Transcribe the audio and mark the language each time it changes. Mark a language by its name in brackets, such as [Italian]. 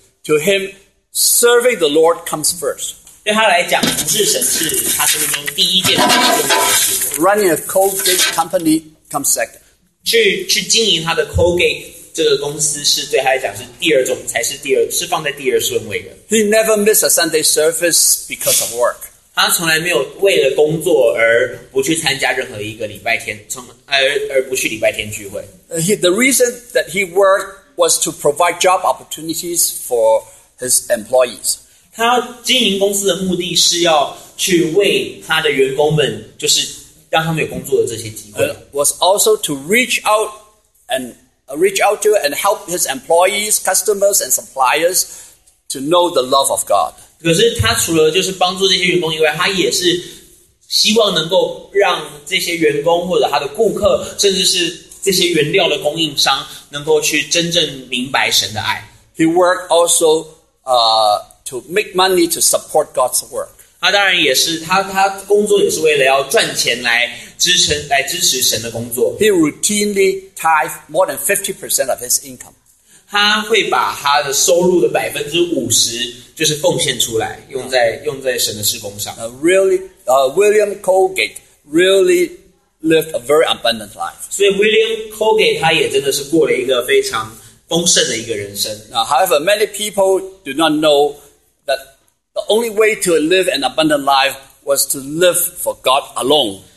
[English] To him, serving the Lord comes first. [Chinese] 对他来讲，服侍神是他生命中第一件重要的事。 [English] Running a Colgate company comes second. [Chinese] 去经营他的 Colgate。这个公司是对他来讲是第二种，才是第二，是放在第二顺位的。 [English] He never missed a Sunday service because of work. [Chinese] 他从来没有为了工作而不去参加任何一个礼拜天，而不去礼拜天聚会。 [English] The reason that he worked was to provide job opportunities for his employees. [Chinese] 他经营公司的目的是要去为他的员工们，就是让他们有工作的这些机会。 [English] Was also to reach out and reach out to and help his employees, customers, and suppliers to know the love of God. [Chinese] 可是他除了就是帮助这些员工以外，他也是希望能够让这些员工或者他的顾客，甚至是这些原料的供应商，能够去真正明白神的爱。 [English] He worked also, to make money to support God's work. [Chinese] 他当然也是他工作也是为了要赚钱来支持神的工作。 [English] He routinely tithe more than 50% of his income. [Chinese] 他会把他的收入的 50% 就是奉献出来用在神的事工上。 [English] William Colgate really lived a very abundant life. [Chinese] 所以 William Colgate 他也真的是过了一个非常丰盛的一个人生。 [English] However, many people do not know that the only way to live an abundant life was to live for God alone.